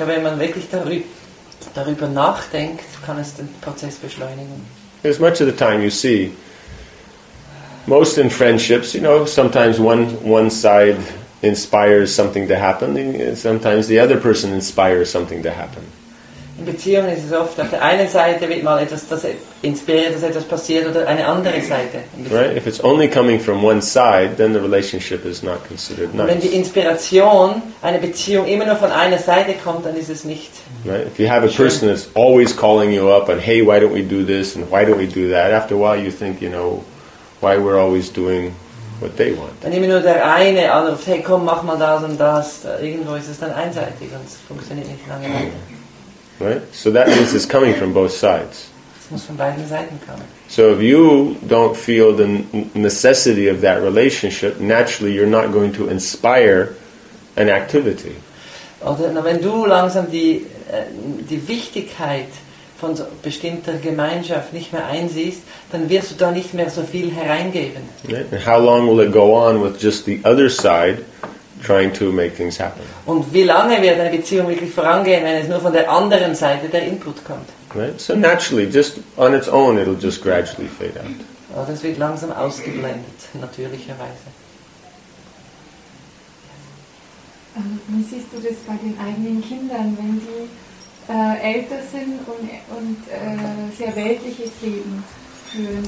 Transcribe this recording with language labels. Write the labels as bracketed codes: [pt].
[de] Aber wenn man wirklich darüber nachdenkt, kann es den Prozess beschleunigen. [en] As much of the time you see, most in friendships, you know, sometimes one side inspires something to happen, sometimes the other person inspires something to happen. [de] In Beziehungen ist es oft, auf der einen Seite wird mal etwas, das inspiriert, dass etwas passiert, oder eine andere Seite. Right? [en] If it's only coming from one side, then the relationship is not considered nice. [de] Wenn die Inspiration einer Beziehung immer nur von einer Seite kommt, dann ist es nicht. Right? [en] If you have a person that's always calling you up and, hey, why don't we do this and why don't we do that? After a while you think, you know, why we're always doing what they want. [de] Wenn immer nur der eine anruft, hey, komm, mach mal das und das, irgendwo ist es dann einseitig und es funktioniert nicht lange. [en] Right? So that means it's coming from both sides. [de] Es muss von beiden Seiten kommen. [en] So if you don't feel the necessity of that relationship, naturally you're not going to inspire an activity. [de] Oder wenn du langsam die Wichtigkeit von so bestimmter Gemeinschaft nicht mehr einsiehst, dann wirst du da nicht mehr so viel hereingeben. [en] Right? And how long will it go on with just the other side trying to make things happen? [de] Und wie lange wird eine Beziehung wirklich vorangehen, wenn es nur von der anderen Seite der Input kommt? [en] Right? So naturally, just on its own, it'll just gradually fade out. [de] Oh, das wird langsam ausgeblendet, natürlicherweise. Wie siehst du das bei den eigenen Kindern, wenn die älter sind und sehr weltliches Leben führen?